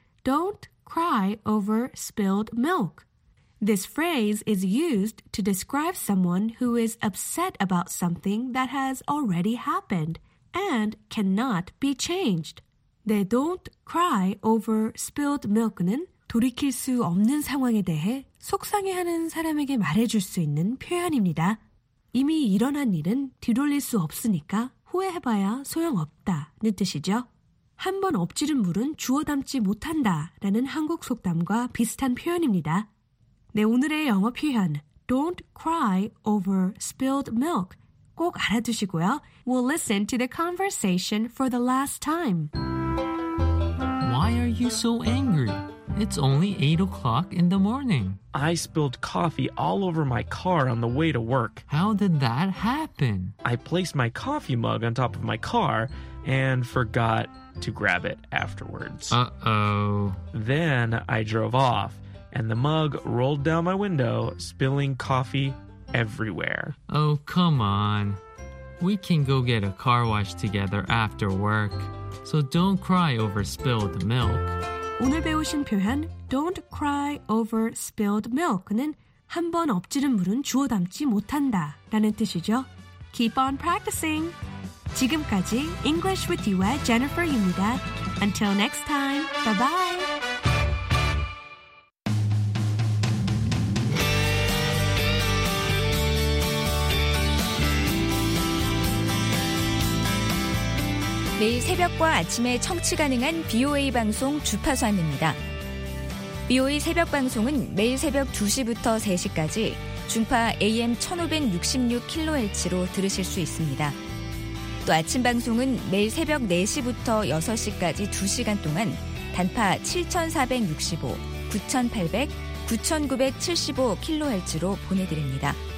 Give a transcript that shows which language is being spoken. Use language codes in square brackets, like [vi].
[en] Don't cry over spilled milk. This phrase is used to describe someone who is upset about something that has already happened and cannot be changed. [ko] The don't cry over spilled milk는 돌이킬 수 없는 상황에 대해 속상해하는 사람에게 말해줄 수 있는 표현입니다. 이미 일어난 일은 뒤돌릴 수 없으니까 후회해봐야 소용없다는 뜻이죠. 한번 엎지른 물은 주워 담지 못한다라는 한국 속담과 비슷한 표현입니다. 네, 오늘의 영어 표현 Don't cry over spilled milk 꼭 알아두시고요. [en] We'll listen to the conversation for the last time. Why are you so angry? It's only 8 o'clock in the morning. I spilled coffee all over my car on the way to work. How did that happen? I placed my coffee mug on top of my car and forgot to grab it afterwards. Uh-oh. Then I drove off, and the mug rolled down my window, spilling coffee everywhere. Oh, come on. We can go get a car wash together after work. So don't cry over spilled milk. [ko] 오늘 배우신 표현 Don't cry over spilled milk는 한 번 엎지른 물은 주워 담지 못한다 라는 뜻이죠. [en] Keep on practicing! [ko] 지금까지 English with you의 Jennifer입니다. [en] Until next time, bye-bye! Every morning and evening, you can listen to BOA [ko] 방송 주파수환입니다. BOA 새벽 방송은 매일 새벽 2시부터 3시까지 중파 AM 1566kHz로 들으실 수 있습니다. 또 아침 방송은 매일 새벽 4시부터 6시까지 2시간 동안 단파 7465, 9800, 9975kHz로 보내드립니다.